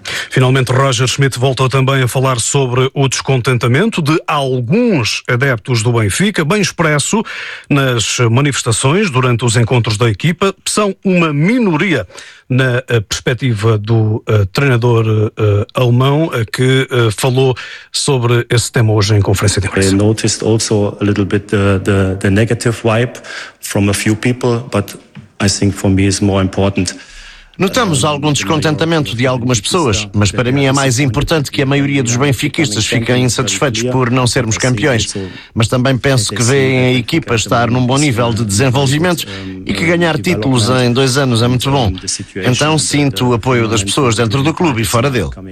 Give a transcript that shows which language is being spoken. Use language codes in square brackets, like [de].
[pt] Finalmente, Roger Schmidt voltou também a falar sobre o descontentamento de alguns adeptos do Benfica, bem expresso nas manifestações durante os encontros da equipa. São uma minoria. Na perspectiva do treinador alemão, que falou sobre esse tema hoje em conferência de imprensa. [en] I noticed also a little bit the negative vibe from a few people, but I think for me is more important. [pt] Notamos algum descontentamento de algumas pessoas, mas para mim é mais importante que a maioria dos benfiquistas fiquem insatisfeitos por não sermos campeões. Mas também penso que veem a equipa estar num bom nível de desenvolvimento e que ganhar títulos em 2 anos é muito bom. Então sinto o apoio das pessoas dentro do clube e fora dele.